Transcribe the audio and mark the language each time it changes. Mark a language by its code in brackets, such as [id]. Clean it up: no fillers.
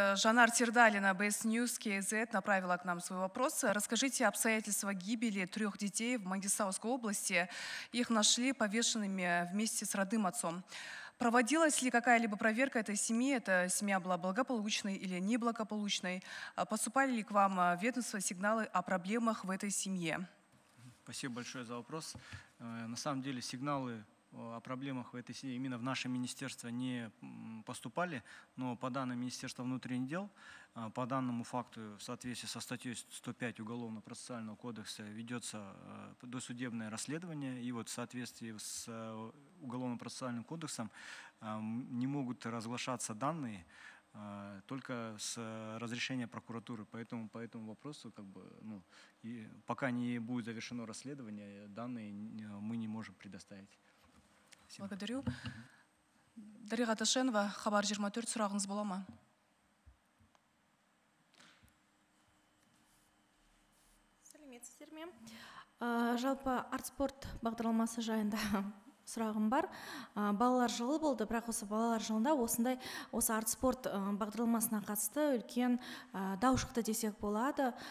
[ru] Жанар Тердалина, BS News, KZ, направила к нам свой вопрос. Расскажите обстоятельства гибели трех детей в Мангистауской области. Их нашли повешенными вместе с родным отцом. Проводилась ли какая-либо проверка этой семьи? Эта семья была благополучной или неблагополучной? Поступали ли к вам ведомства сигналы о проблемах в этой семье? Спасибо большое за вопрос. На самом деле сигналы о проблемах в этой семье именно в наше министерство не поступали, но по данным Министерства внутренних дел, по данному факту, в соответствии со статьей 105 Уголовно-процессуального кодекса ведется досудебное расследование, и вот в соответствии с Уголовно-процессуальным кодексом не могут разглашаться данные только с разрешения прокуратуры. Поэтому по этому вопросу, как бы, ну, и пока не будет завершено расследование, данные мы не можем предоставить. Благодарю. [kk] Дариға Ташенова, Хабар 24, сұрағыңыз бола ма? Сәлеметсіздер ме? Жалпы арт-спорт бағдарламасы жайында сұрағым бар. Балалар жылы болды, бірақ осы балалар жылында осындай осы арт-спорт бағдарламасына қатысты үлкен дау шықты десек болады.